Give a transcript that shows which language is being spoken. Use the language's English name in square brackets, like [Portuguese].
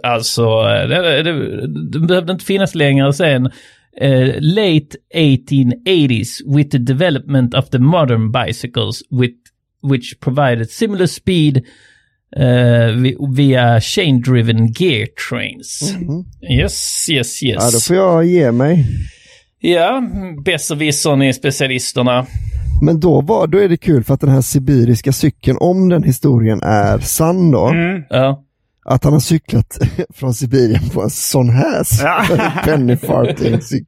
[Swedish] Alltså, det behövde inte finnas längre sen. [English] Late 1880s with the development of the modern bicycles which provided similar speed via chain-driven gear trains. Mm-hmm. Yes. [Swedish] Ja, då får jag ge mig. Ja, besserwissern är specialisterna. Men då är det kul för att den här sibiriska cykeln, om den historien är sann då, att han har cyklat från Sibirien på en sån här Penny Farthing cykel.